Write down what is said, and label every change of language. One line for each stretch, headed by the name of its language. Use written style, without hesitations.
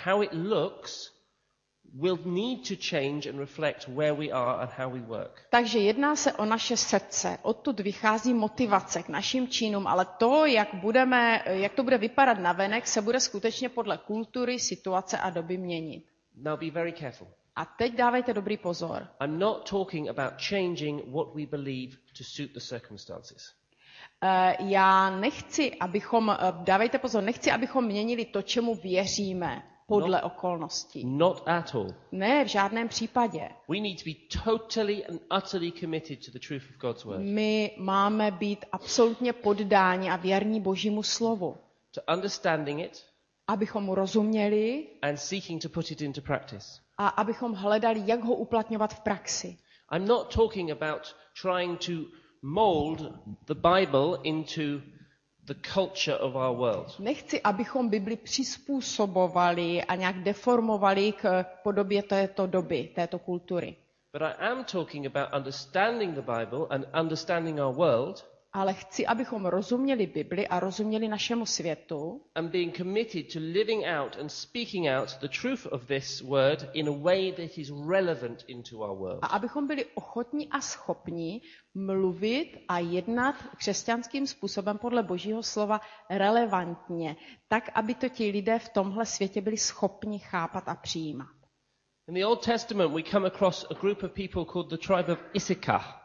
English: How it looks will need to change and reflect where we are and how we work.
Czech: Takže jedná se o naše srdce. Odtud vychází motivace k našim činům, ale to, jak budeme, jak to bude vypadat navenek, se bude skutečně podle kultury, situace a doby měnit.
English: Now be very careful.
Czech: A teď dávejte dobrý pozor.
English: I'm not talking about changing what we believe to suit the circumstances.
Czech: Já nechci, abychom dávejte pozor, nechci, abychom měnili to, čemu věříme podle okolností.
English: Not at all.
Czech: Ne, v žádném případě.
English: We need to be totally and utterly committed to the truth of God's word.
Czech: My máme být absolutně poddáni a věrní Božímu slovu.
English: To understanding it.
Czech: Abychom mu rozuměli.
English: And seeking to put it into practice.
Czech: A abychom hledali, jak ho uplatňovat v praxi.
English: I'm not talking about trying to mold the Bible into the culture of our world.
Czech: Nechci, abychom Bibli přizpůsobovali a nějak deformovali k podobě této doby, této kultury.
English: But I am talking about understanding the Bible and understanding our world.
Czech: Ale chci, abychom rozuměli Bibli a rozuměli našemu světu.
English: And being committed to living out and speaking out the truth of this word in a way that is relevant into our world.
Czech: A abychom byli ochotní a schopní mluvit a jednat křesťanským způsobem podle Božího slova relevantně, tak aby to ti lidé v tomhle světě byli schopni chápat a přijímat.
English: In the Old Testament we come across a group of people called the tribe of Issachar.